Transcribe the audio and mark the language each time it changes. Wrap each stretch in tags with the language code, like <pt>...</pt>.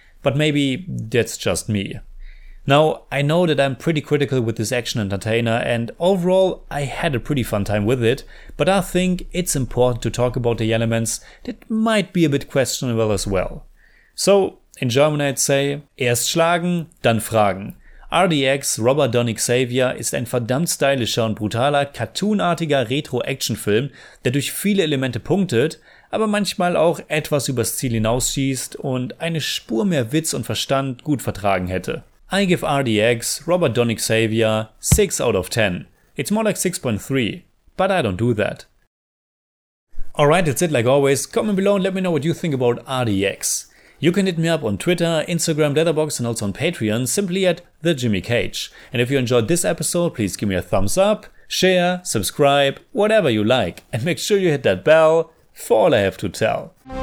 <en>But maybe that's just me. Now, I know that I'm pretty critical with this action entertainer, and overall I had a pretty fun time with it, but I think it's important to talk about the elements that might be a bit questionable as well. So, in German I'd say,</en> <de>erst schlagen, dann fragen. RDX Robert Dony Xavier ist ein verdammt stylischer und brutaler, cartoonartiger Retro-Action-Film, der durch viele Elemente punktet, aber manchmal auch etwas übers Ziel hinausschießt und eine Spur mehr Witz und Verstand gut vertragen hätte.</de> <en>I give RDX Robert Dony Xavier 6 out of 10. It's more like 6.3, but I don't do that. Alright, that's it like always. Comment below and let me know what you think about RDX. You can hit me up on Twitter, Instagram, Letterboxd and also on Patreon simply at The Jimmy Cage. And if you enjoyed this episode, please give me a thumbs up, share, subscribe, whatever you like. And make sure you hit that bell for all I have to tell.</en>